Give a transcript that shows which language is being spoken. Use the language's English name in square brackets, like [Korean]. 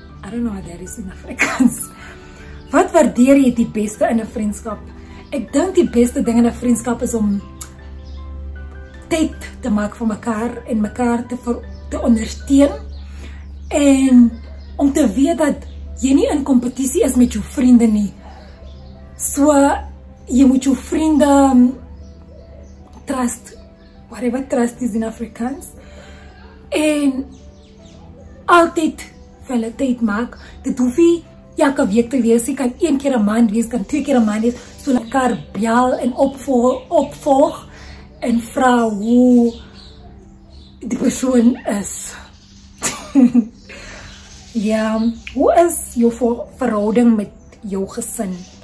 [English] I don't know what that is in Afrikaans. [Afrikaans] Wat waardeer jy die beste in 'n vriendskap? Ek dink die beste ding in 'n vriendskap is om tyd te maak vir mekaar en mekaar te ondersteun, en om te weet dat jy nie in kompetisie is met jou vriende nie. So, jy moet jou vriende trust, [English] whatever trust is in Afrikaans, [Afrikaans] en altyd vir hulle tyd maak. Dit hoef nie elke week te wees, jy kan een keer 'n maand wees, kan twee keer 'n maand wees, so mekaar bel en opvolg en vra hoe die persoon is. Ja, hoe is jou verhouding met jou gesin?